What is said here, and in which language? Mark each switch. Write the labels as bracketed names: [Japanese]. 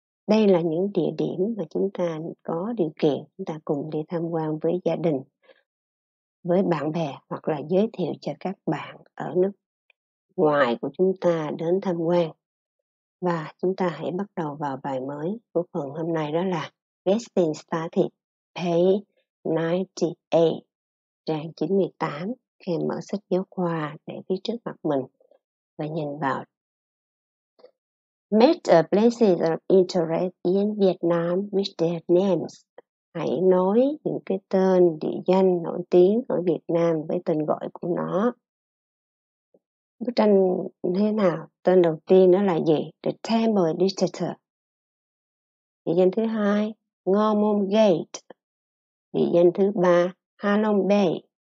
[Vietnamese] Đây là những địa điểm mà chúng ta có điều kiện, chúng ta cùng đi tham quan với gia đình, với bạn bè, hoặc là giới thiệu cho các bạn ở nước ngoài của chúng ta đến tham quan. Và chúng ta hãy bắt đầu vào bài mới của phần hôm nay, đó là [English] Getting Started, page 98, [Vietnamese] trang 98. Khi mở sách giáo khoa để phía trước mặt mình và nhìn vào. [English] Meet a places of interest in Vietnam with their names. [Vietnamese] Hãy nói những cái tên địa danh nổi tiếng ở Việt Nam với tên gọi của nó. Bức tranh thế nào? Tên đầu tiên đó là gì? The Temple Dictator. Địa danh thứ hai, Ngô Môn Gate. Địa danh thứ ba, Ha Long Bay.